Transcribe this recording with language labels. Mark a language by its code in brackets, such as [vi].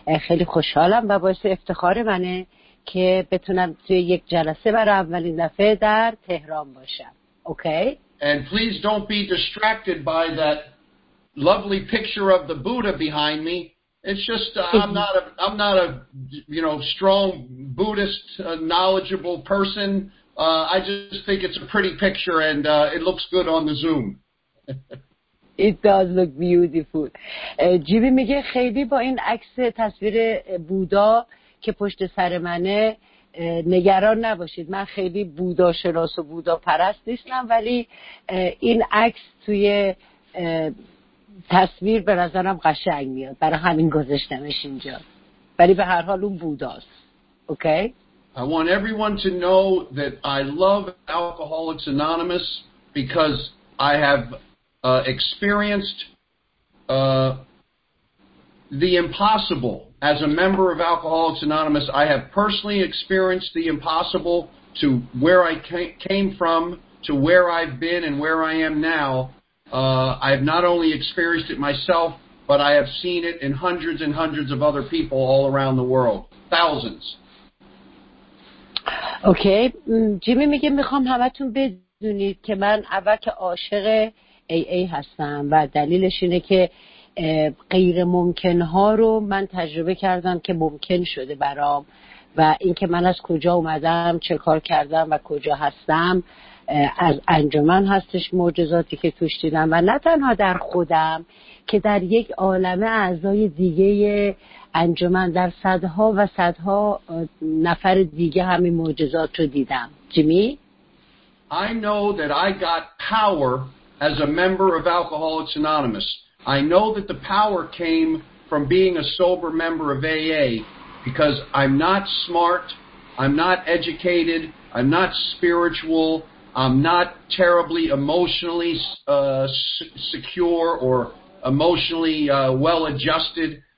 [fa] خیلی خوشحالم و باعث افتخار منه که بتونم توی یک جلسه برای اولین دفعه در تهران باشم. اوکی. [en] And please don't be distracted by that lovely picture of the Buddha behind me. It's just I'm not a you know, strong Buddhist knowledgeable person. I just think it's a pretty picture and it looks good on the Zoom. It does look beautiful. [fa] جیبی میگه خیلی با این عکس تصویر بودا که پشت سر منه نگران نباشید. من خیلی بودا شناس و بودا پرست نیستم، ولی این عکس توی تصویر به نظرم قشنگ میاد. برای همین گذاشتمش اینجا. ولی به هر حال اون بوداست. اوکی؟ [en] I want everyone to know that I love Alcoholics Anonymous because I have experienced the impossible. As a member of Alcoholics Anonymous, I have personally experienced the impossible to where I came from, to where I've been, and where I am now. I have not only experienced it myself, but I have seen it in hundreds and hundreds of other people all around the world. Thousands. Okay. [fa] Jimmy میگه میخوام همتون بدونید که من اول که عاشق AA هستم و دلیلش اینه که غیر ممکن ها رو من تجربه کردم که ممکن شده برام، و اینکه من از کجا اومدم، چه کار کردم و کجا هستم از انجمن هستش معجزاتی که توش دیدم، و نه تنها در خودم که در یک عالمه اعضای دیگه انجمن، در صدها و صدها نفر دیگه همین معجزات رو دیدم. جیمی، [en] I know that I got power as a member of Alcoholics Anonymous. I know that the power came from being a sober member of AA because I'm not smart, I'm not educated, I'm not spiritual, I'm not terribly emotionally secure or emotionally well-adjusted.